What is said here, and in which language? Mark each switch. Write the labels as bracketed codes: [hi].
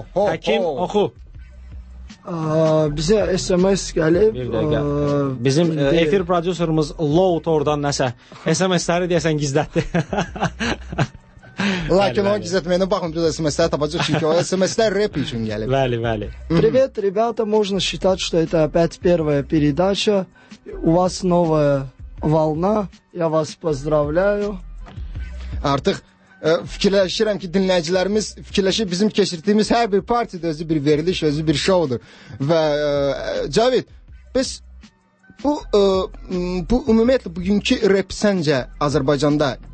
[az] Həkim, oxu. Bizə SMS gəlib. Bizim efir prodüserimiz Load oradan nəsə SMS-ləri deyəsən gizlətdi. Lakin o gizlətməyinə baxın, biz SMS-ləri tapacaq, çünki o SMS-lər rap üçün gəlib. Vəli, vəli. [ru] Привет, ребята, можно считать, что это опять первая передача. У вас новая волна. Я вас поздравляю. [az] Artıq fikirləşirəm ki, dinləyicilərimiz fikirləşir bizim keçirdiyimiz hər bir partidə özü bir veriliş, özü bir şovdur. Və Cavid, biz bu ümumiyyətlə bugünkü rap səncə Azərbaycanda